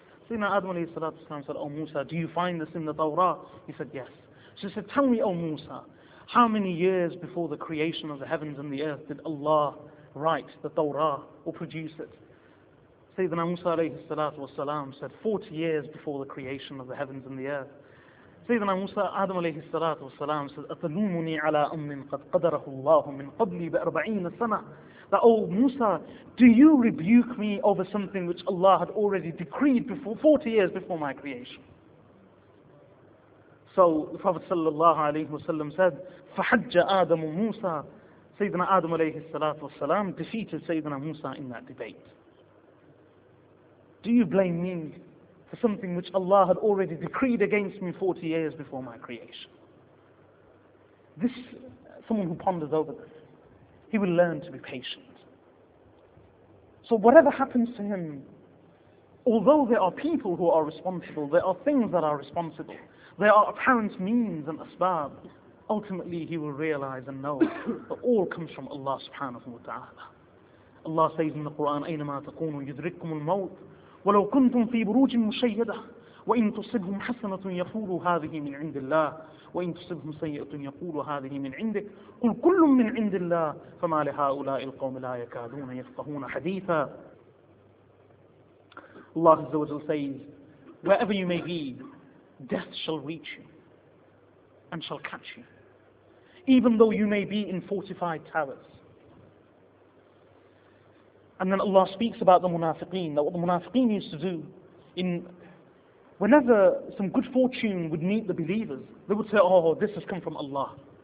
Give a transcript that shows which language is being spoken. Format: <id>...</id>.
<en>Sayyidina Adam alayhi salatu wasalam said, O Musa, do you find this in the Torah? He said, yes. So he said, tell me, O Musa, how many years before the creation of the heavens and the earth did Allah write the Torah or produce it? Sayyidina Musa alayhi salatu wasalam said, 40 years before the creation of the heavens and the earth. Sayyidina Musa Adam alayhi salatu wasalam said,</en> <ar>أَتَلُومُنِي عَلَىٰ أَمْنٍ قَدْ قَدَرَهُ اللَّهُ مِنْ قَبْلِي بِأَرْبَعِينَ سَنَةٍ.</ar> <en>That, O Musa, do you rebuke me over something which Allah had already decreed before 40 years before my creation? So the Prophet sallallahu alayhi wasallam said,</en> <ar>فَحَجَّ آدَمُ مُوسَى.</ar> <en>Sayyidina Adam alayhi salatu wasalam defeated Sayyidina Musa in that debate. Do you blame me for something which Allah had already decreed against me 40 years before my creation? This, someone who ponders over this, he will learn to be patient. So whatever happens to him, although there are people who are responsible, there are things that are responsible, there are apparent means and asbab, ultimately he will realize and know that all comes from Allah subhanahu wa ta'ala. Allah says in the Quran,</en> <ar>أَيْنَمَا تَقُونُ يُدْرِكُمُ الْمَوْتِ وَلَوْ كُنْتُمْ فِي بُرُوجٍ مُشَيَّدَةٍ وَإِنْ تُصِبْهُمْ حَسَنَةٌ يَقُولُوا هَذِهِ مِنْ عِنْدِ اللَّهِ وَإِنْ تُصِبْهُمْ سَيِّئَةٌ يَقُولُوا هَذِهِ مِنْ عِنْدِكَ قُلْ كُلٌّ مِنْ عِنْدِ اللَّهِ فَمَا لِهَؤُلَاءِ الْقَوْمِ لَا يَكَادُونَ يَفْقَهُونَ حَدِيثًا.</ar> <en>Allah Azza wa Jalla says, wherever you may be, death shall reach you and shall catch you, even though you may be in fortified towers. And then Allah speaks about the munafiqeen, that what the munafiqeen used to do, in whenever some good fortune would meet the believers, they would say, oh, this has come from Allah.</en>